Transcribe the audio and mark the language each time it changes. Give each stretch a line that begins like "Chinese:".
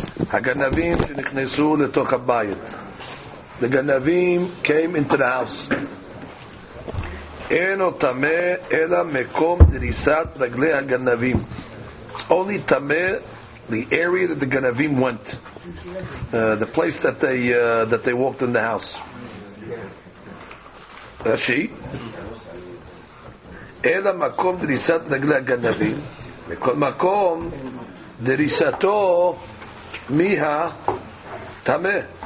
Hebrew: הגנבים שנכנסו לתוך הבית.
English: The גנבים came into the house.
Hebrew: אין או תמה אלא מקום דריסת רגלי הגנבים.
English: It's only תמה the area that the גנבים went. The place that they walked in the house.
Hebrew: ראשי. אלא מקום דריסת רגלי הגנבים. מכל מקום דריסתו Miha Tameh.